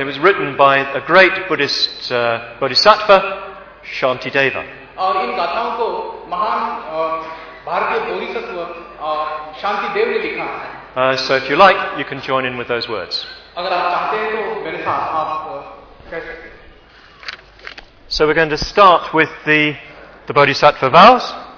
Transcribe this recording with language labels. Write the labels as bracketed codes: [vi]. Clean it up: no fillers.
[en] It was written by a great Buddhist bodhisattva, Shantideva. [hi] और इन गाथाओं को महान भारतीय बोधिसत्व शांतिदेव ने लिखा है। [en] So if you like, you can join in with those words. [hi] अगर आप चाहते हैं तो मेरे साथ आप कैसे? [en] So we're going to start with the Bodhisattva vows.